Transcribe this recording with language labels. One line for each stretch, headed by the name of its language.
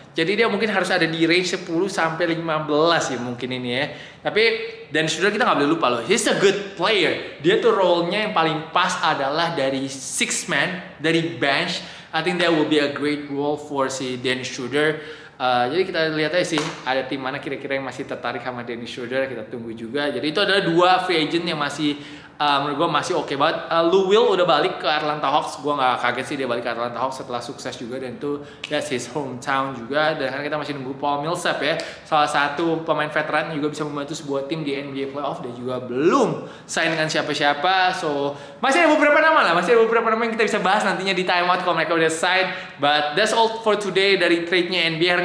Indonesian: Jadi dia mungkin harus ada di range 10-15 ya mungkin ini ya. Tapi Dennis Schroeder kita gak boleh lupa loh.
English: He's a good player.
Indonesian: Dia tuh role-nya yang paling pas adalah dari six man, dari bench.
English: I think that will be a great role for si Dennis Schroeder.
Indonesian: Jadi kita lihat aja sih ada tim mana kira-kira yang masih tertarik sama Dennis Schroeder. Kita tunggu juga. Jadi itu adalah dua free agent yang masih menurut gue masih oke banget. Lou Will udah balik ke Atlanta Hawks. Gue gak kaget sih dia balik ke Atlanta Hawks setelah sukses juga. Dan itu
English: that's his hometown
Indonesian: juga. Dan kan kita masih nunggu Paul Millsap ya, salah satu pemain veteran juga bisa membantu sebuah tim di NBA playoff. Dan juga belum sign dengan siapa-siapa. So masih ada beberapa nama lah. Masih ada beberapa nama yang kita bisa bahas nantinya di timeout kalau mereka udah sign.
English: But that's all for today
Indonesian: dari trade-nya NBA.